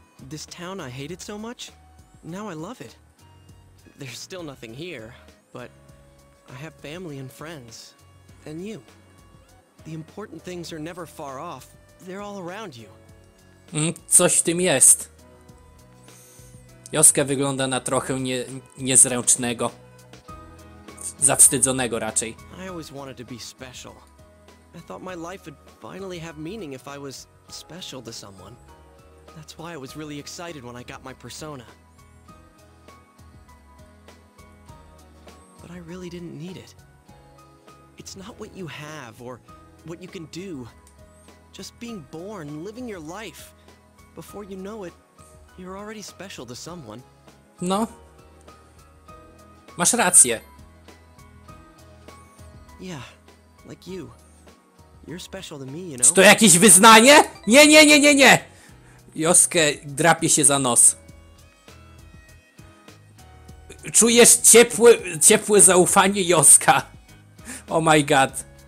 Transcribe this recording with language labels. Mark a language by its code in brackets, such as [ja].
[en] This town I hated so much, now I love it. There's still nothing here, but I have family and friends, and you. The important things are never far off. They're all around you. [pl] Coś w tym jest. Josuke wygląda na trochę niezręcznego. Zawstydzonego raczej. [en] I always wanted to be special. I thought my life would finally have meaning if I was special to someone. That's why I was really excited when I got my persona. But I really didn't need it. It's not what you have or what you can do. Just being born, living your life. Before you know it, you're already special to someone. [pl] No. Masz rację. [en] Yeah, like you. You're special to me, you know? [pl] Czy to jakieś wyznanie? Nie, nie, nie, nie, nie! Josuke drapie się za nos. Czujesz ciepłe, ciepłe zaufanie Josuke. [en] Oh my god.